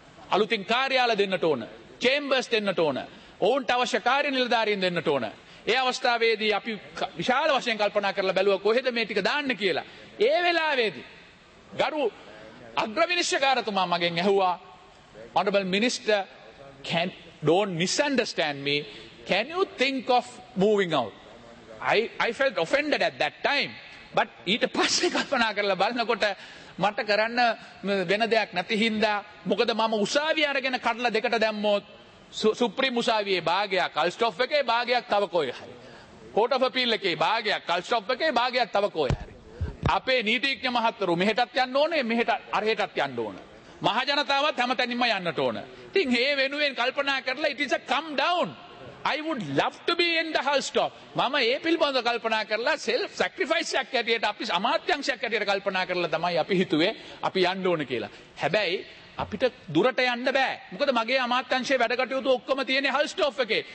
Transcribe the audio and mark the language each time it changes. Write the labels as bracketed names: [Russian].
[Sinhala] අලුතින් කාර්යාල දෙන්නට ඕන. චේම්බර්ස් දෙන්නට ඕන. ඔවුන්ට අවශ්‍ය කාර්ය නිලධාරීන් දෙන්නට ඕන. ඒ අවස්ථාවේදී අපි විශාල වශයෙන් කල්පනා කරලා බැලුවා කොහෙද මේ ටික දාන්න කියලා. ඒ වෙලාවේදී ගරු අග්‍රවිනිශ්චකාරතුමා මගෙන් ඇහුවා, [English] Honorable Minister, don't misunderstand me. Can you think of moving out? I felt offended at that time. [Sinhala] But ඊට පස්සේ කල්පනා කරලා බලනකොට මට කරන්න වෙන දෙයක් නැති හින්දා, මොකද මම උසාවිය අරගෙන කඩලා දෙකට දැම්මොත් සුප්‍රීම උසාවියේ භාගයක් කල්ස්ටොප් එකේ භාගයක් තව කොයි හරි. කෝට් ඔෆ් අපීල් එකේ භාගයක් කල්ස්ටොප් එකේ භාගයක් තව කොයි හරි. අපේ නීතිඥ මහත්වරු මෙහෙටත් යන්න ඕනේ, මෙහෙට අරහෙටත් යන්න ඕන. මහජනතාවත් හැම තැනින්ම යන්නට ඕන. ඉතින් ඒ වෙනුවෙන් කල්පනා කරලා [English] it is a come down. I would love to be in the house top. [Sinhala] මම ඒ පිළිබඳව කල්පනා කරලා [English] self sacrifice [Sinhala] එකක් හැටියට අපි අමාත්‍යංශයක් හැටියට කල්පනා කරලා තමයි අපි හිතුවේ අපි යන්න ඕන කියලා. හැබැයි අපිට දුරට යන්න බෑ. මොකද මගේ අමාත්‍යංශයේ වැඩ කටයුතු ඔක්කොම තියෙන්නේ හල් ස්ටොප් එකේ.